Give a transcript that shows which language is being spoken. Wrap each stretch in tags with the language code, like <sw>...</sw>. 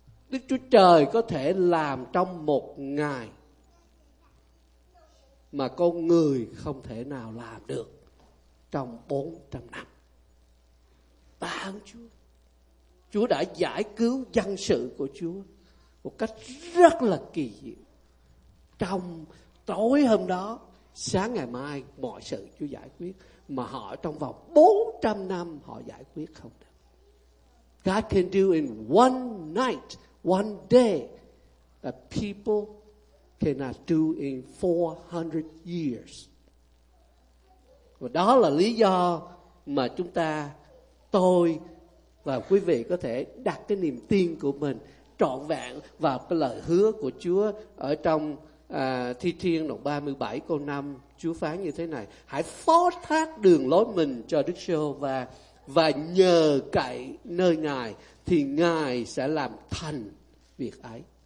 <vi>Đức Chúa Trời có thể làm trong một ngày mà con người không thể nào làm được trong 400 năm. Tạ ơn Chúa. Chúa đã giải cứu dân sự của Chúa một cách rất là kỳ diệu. Trong tối hôm đó, sáng ngày mai, mọi sự Chúa giải quyết. Mà họ trong vòng 400 năm họ giải quyết không được.</vi> <en>God can do in one night, one day, that people cannot do in 400 years.</en> <vi>Và đó là lý do mà chúng ta, tôi và quý vị có thể đặt cái niềm tin của mình trọn vẹn vào cái lời hứa của Chúa ở trong Thi Thiên đoạn 37 câu 5. Chúa phán như thế này: hãy phó thác đường lối mình cho Đức Giê-hô-va và nhờ cậy nơi Ngài thì Ngài sẽ làm thành việc ấy.</vi>